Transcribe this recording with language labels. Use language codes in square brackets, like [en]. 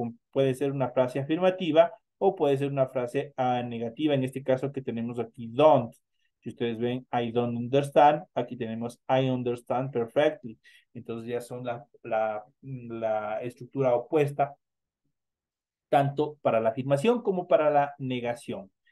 [es] Puede ser una frase afirmativa o puede ser una frase negativa. En este caso que tenemos aquí, don't. Si ustedes ven, [en] I don't understand. [es] Aquí tenemos, [en] I understand perfectly. [es] Entonces ya son la estructura opuesta, tanto para la afirmación como para la negación.